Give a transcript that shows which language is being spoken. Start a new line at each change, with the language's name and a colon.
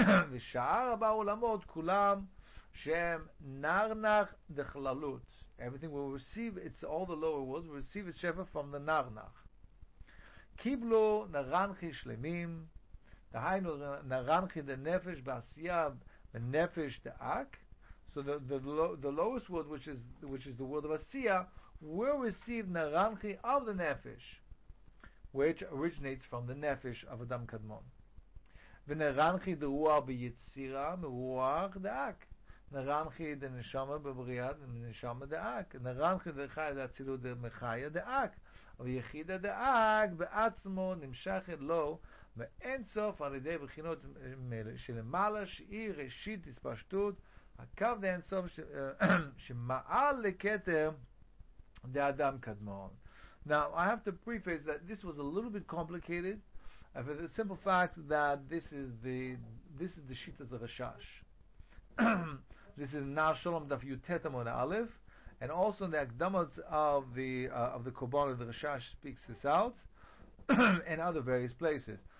Hebrew: ושאר ארבע עולמות כולם שם נרנח דכללות.
English: Everything will receive, it's all the lower worlds will receive its שפע from the נרנח.
Hebrew: קיבלו נרנחי שלמים, דהיינו נרנחי דנפש בעשייה ונפש דאק.
English: So the lowest world, which is the world of עשייה, will receive נרנחי of the נפש, which originates from the נפש of אדם קדמון.
Hebrew: ונרנחי דרוח ביצירה מרוח דאק. נרנחי דנשמה בבריאה דנשמה דאק, נרנחי דרכה דאצילות דמחיה דאק, ויחידה דאק בעצמו נמשכת לו מאין סוף על ידי בחינות שלמעלה, שהיא ראשית הספשטות הקו דאין סוף שמעל לכתר דאדם קדמון.
English: Now I have to preface that this was a little bit complicated, for the simple fact that this is the shita of Rashash. This is Na Shalom Daf Yutet Amud Aleph, and also in the Akdamot of the Korban, the Rashash speaks this out in other various places.